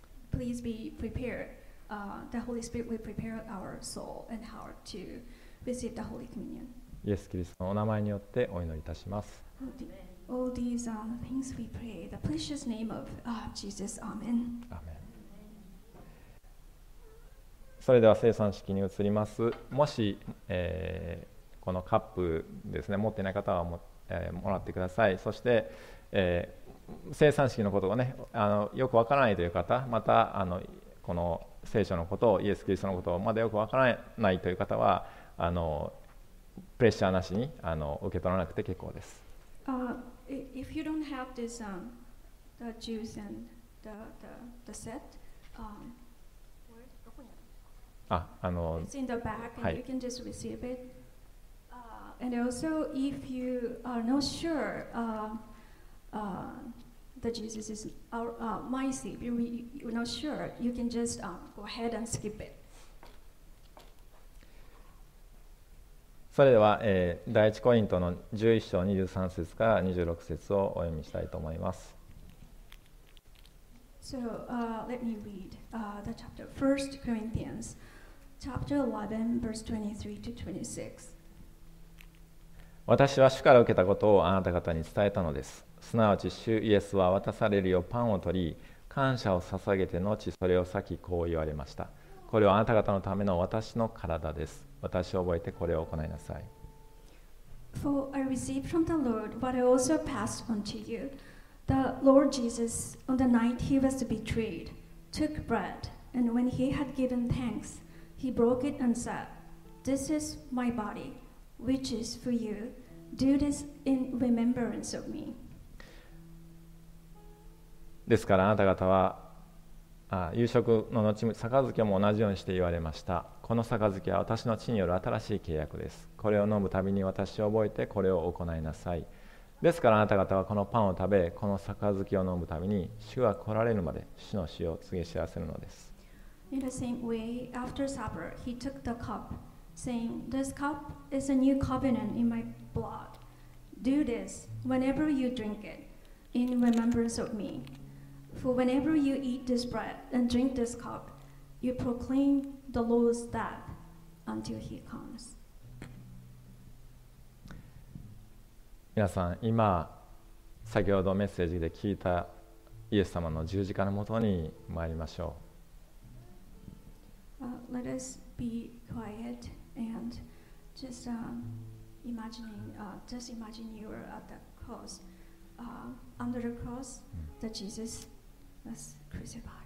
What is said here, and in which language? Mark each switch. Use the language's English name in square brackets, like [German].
[English] Please be prepared. The Holy Spirit will prepare our soul and heart to receive the Holy Communion. [Japanese] イエス・キリストのお名前によってお祈りいたします。 [English] All these things we pray, the precious name of Jesus. Amen. Amen. [Japanese] それでは聖餐式に移ります。もし、このカップですね、持っていない方は もらってください。そして、聖餐式のことをね、よくわからないという方、またこの聖書のことを、イエス・キリストのことをまだよくわからないという方は、プレッシャーなしに受け取らなくて結構です。 [English] If you don't have this, the juice and the set, it's in the back and、はい、you can just receive itAnd also, if you are not sure that Jesus is our, my Savior, you're not sure, you can just go ahead and skip it. [Japanese] それでは、第一コリントの11章23節から26節をお読みしたいと思います。 [English] So, let me read the chapter. 1 Corinthians, chapter 11, verse 23 to 26. [Japanese] 私は主から受けたことをあなた方に伝えたのです。すなわち主イエスは渡されるよパンを取り、感謝を捧げて後それを裂きこう言われました。これはあなた方のための私の体です。私を覚えてこれを行いなさい。 [English] For I received from the Lord what I also passed on to you. The Lord Jesus, on the night he was betrayed, took bread, and when he had given thanks, he broke it and said, This is my body. Which is for you. Do this in remembrance of me. [Japanese] ですからあなた方は夕食の後杯も同じようにして言われました。この杯は私の血による新しい契約です。これを飲むたびに私を覚えてこれを行いなさい。ですからあなた方はこのパンを食べ、この杯を飲むたびに主が来られるまで主の死を告げ知らせるのです。 [English] In the same way, after supper, he took the cup. Saying, This cup is a new covenant in my blood. Do this whenever you drink it, in remembrance of me. For whenever you eat this bread and drink this cup, you proclaim the Lord's death until he comes. [Japanese] 皆さん、今先ほどメッセージで聞いたイエス様の十字架のもとに参りましょう。 [English] Let us be quiet. And just imagine you were at the cross, under the cross, that Jesus was crucified.